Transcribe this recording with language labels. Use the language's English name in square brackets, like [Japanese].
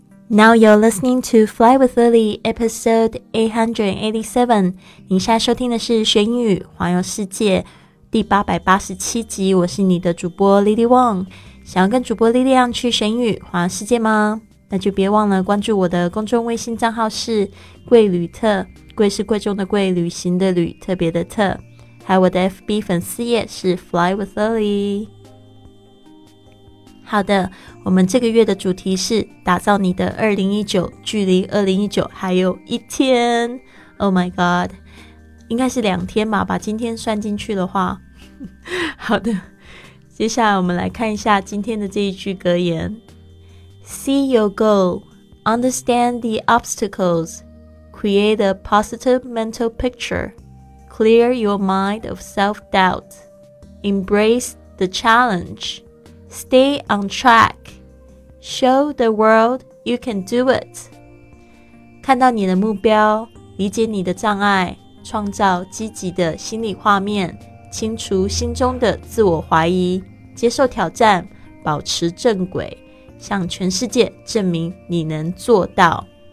[English] Now you're listening to Fly with Lily, episode 887. [Chinese] 您现在收听的是《学英语环游世界》第887集。我是你的主播 Lily Wong。想要跟主播 Lily 一样去学英语环游世界吗？那就别忘了关注我的公众微信账号是“贵旅特”，贵是贵重的贵，旅行的旅，特别的特。还有我的 FB 粉丝页是 Fly with Lily。好的，我们这个月的主题是打造你的2019，距离2019还有一天。 [English] Oh my god， [Chinese] 应该是两天吧，把今天算进去的话。好的，接下来我们来看一下今天的这一句格言 [English] ：See your goal, understand the obstacles, create a positive mental picture, clear your mind of self-doubt, embrace the challenge. Stay on track. Show the world you can do it. [Chinese] 看到你的目标，理解你的障碍，创造积极的心理画面，清除心中的自我怀疑，接受挑战，保持正轨，向全世界证明你能做到。